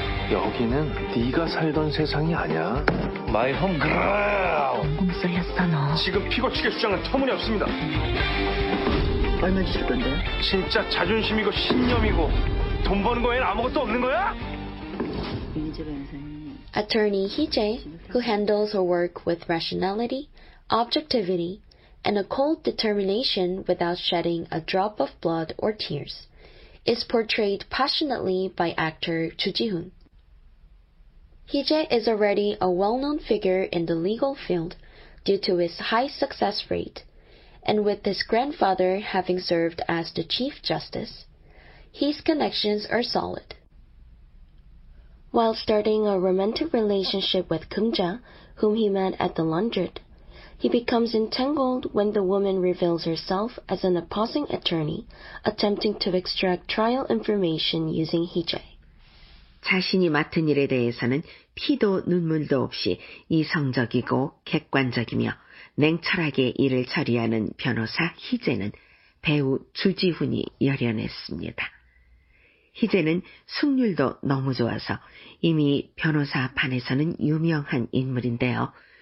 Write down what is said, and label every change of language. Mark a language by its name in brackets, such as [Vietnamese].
[Korean] 여기는 네가 살던 세상이 아니야. [English] My home ground. [Korean] 엉엉 썰렸어 너. 지금 피고 측의 주장은 터무니없습니다. 얼마 주실 건데? 진짜 자존심이고 신념이고 돈 버는 거 외엔 아무것도 없는 거야? [English] Attorney Hee-jae, who handles her work with rationality, objectivity, and a cold determination without shedding a drop of blood or tears, is portrayed passionately by actor Choo Ji-hoon. Hee-jae is already a well-known figure in the legal field due to his high success rate, and with his grandfather having served as the Chief Justice, his connections are solid. While starting a romantic relationship with Geum-ja, whom he met at the Laundrette, he becomes entangled when the woman reveals herself as an opposing attorney attempting to extract trial information using Hee-jae. [Korean] 자신이 맡은 일에 대해서는 피도 눈물도 없이 이성적이고 객관적이며 냉철하게 일을 처리하는 변호사 희재는 배우 주지훈이 열연했습니다. 희재는 승률도 너무 좋아서 이미 변호사 반에서는 유명한 인물인데요.